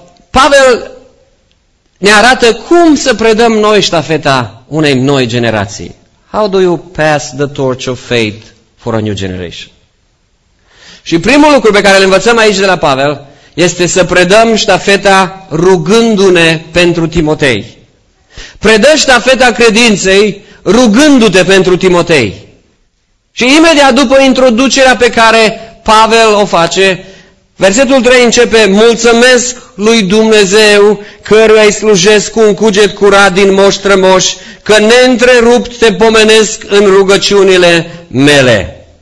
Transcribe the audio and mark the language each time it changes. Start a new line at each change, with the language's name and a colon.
Romanian: Pavel ne arată cum să predăm noi ștafeta unei noi generații.
English: How do you pass the torch of faith for a new generation?
Romanian: Și primul lucru pe care îl învățăm aici de la Pavel este să predăm ștafeta rugându-ne pentru Timotei. Predă ștafeta credinței rugându-te pentru Timotei. Și imediat după introducerea pe care Pavel o face, versetul 3 începe: mulțumesc lui Dumnezeu căruia îi slujesc cu un cuget curat din moș trămoș, că neîntrerupt te pomenesc în rugăciunile mele.